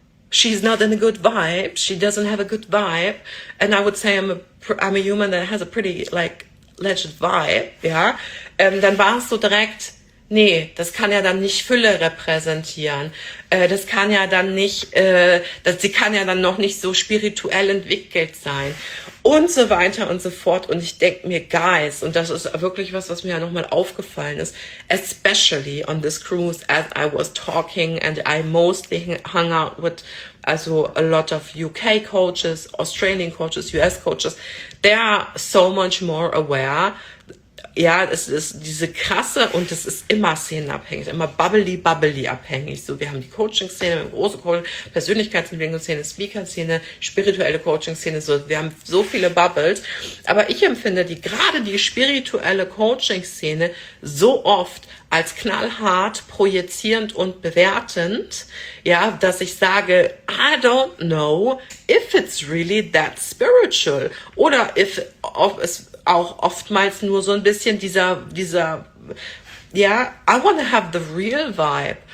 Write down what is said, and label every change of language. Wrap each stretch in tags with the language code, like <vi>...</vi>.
<en>she's not in a good vibe, she doesn't have a good vibe, and I would say I'm a human that has a pretty, like, legit vibe,</en> <de>ja, dann war es so direkt, nee, das kann ja dann nicht Fülle repräsentieren, das kann ja dann nicht, sie kann ja dann noch nicht so spirituell entwickelt sein und so weiter und so fort. Und ich denke mir,</de> <en>guys,</en> <de>und das ist wirklich was, was mir ja nochmal aufgefallen ist,</de> <en>especially on this cruise, as I was talking and I mostly hung out with also a lot of UK coaches, Australian coaches, US coaches, they are so much more aware.</en> <de>Ja, es ist diese krasse, und es ist immer szenenabhängig, immer bubbly, bubbly abhängig. So, wir haben die Coaching-Szene, große Persönlichkeitsentwicklungsszene, Speaker-Szene, spirituelle Coaching-Szene, so, wir haben so viele Bubbles. Aber ich empfinde die, gerade die spirituelle Coaching-Szene so oft als knallhart, projizierend und bewertend, ja, dass ich sage,</de> <en>I don't know if it's really that spiritual</en> <de>oder if it's auch oftmals nur so ein bisschen dieser, ja,</de> <en>yeah, I wanna have the real vibe.</en>